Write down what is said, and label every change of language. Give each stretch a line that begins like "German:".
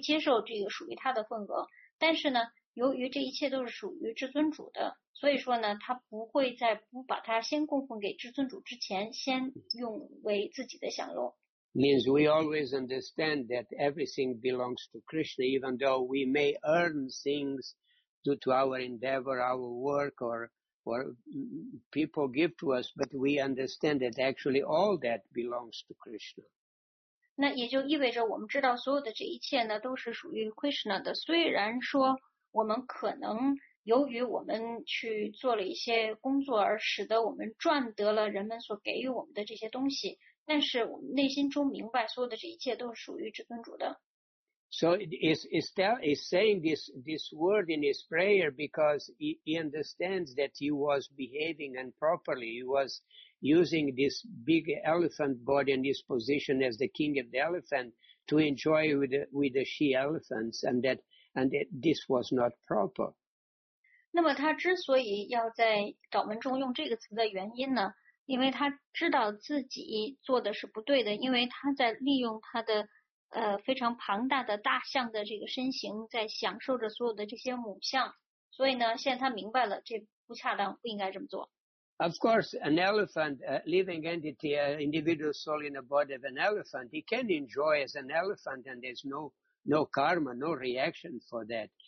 Chinese: 但是呢，作为奉献者，那他也都知道，要维系自己在这个世界的生活，他有他自己需要得到的这一份份额，所以呢，他会接受这个属于他的份额，但是呢。由于这一切都是属于至尊主的，所以说呢，他不会在不把它先供奉给至尊主之前，先用为自己的享用。
English: Means we always understand that everything belongs to Krishna, even though we may earn things due to our endeavor, our work, or people give to us, but we understand that actually all that belongs to Krishna.
Chinese: 那也就意味着我们知道所有的这一切呢，都是属于 Krishna 的。虽然说 我们可能由于我们去做了一些工作，而使得我们赚得了人们所给予我们的这些东西。但是我们内心中明白，所有的这一切都是属于至尊主的。
English: So he's saying this word in his prayer because he understands that he was behaving improperly. He was using this big elephant body and his position as the king of the elephant to enjoy with the she elephants, and that, and it, this was not proper.
Chinese: 那么他之所以要在祷文中用这个词的原因呢，因为他知道自己做的是不对的，因为他在利用他的非常庞大的大象的这个身形在享受着所有的这些母象，所以呢现在他明白了这不恰当，不应该这么做。
English: Of course, an elephant, a living entity, an individual soul in the body of an elephant, he can enjoy as an elephant, and there's no karma, no reaction for that.